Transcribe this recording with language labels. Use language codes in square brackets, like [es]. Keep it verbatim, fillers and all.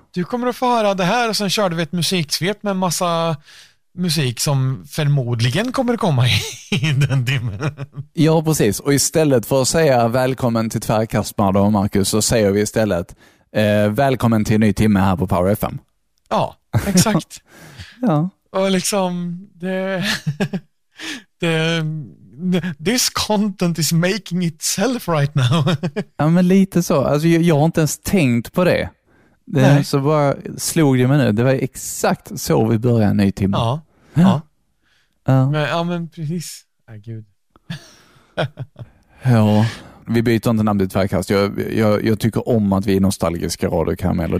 [sv] Du kommer att få höra det här och sen körde vi ett musiksvep med en massa musik som förmodligen kommer att komma i den timmen. Ja, precis. Och istället för att säga välkommen till Tvärkast med Adam och Marcus så säger vi istället eh, välkommen till en ny timme här på Power F M. Ja, exakt. Ja. Och liksom det, det, [en] this content is making itself right now. [sv] Ja, men lite så. Alltså, jag, jag har inte ens tänkt på det. det så bara slog det mig nu. Det var exakt så vi började en ny timme. Ja, ja. ja. Men, ja men precis. Ah, gud. Ja. Vi byter inte namn till Tvärkast. Jag, jag, jag tycker om att vi är nostalgiska radiokarameller.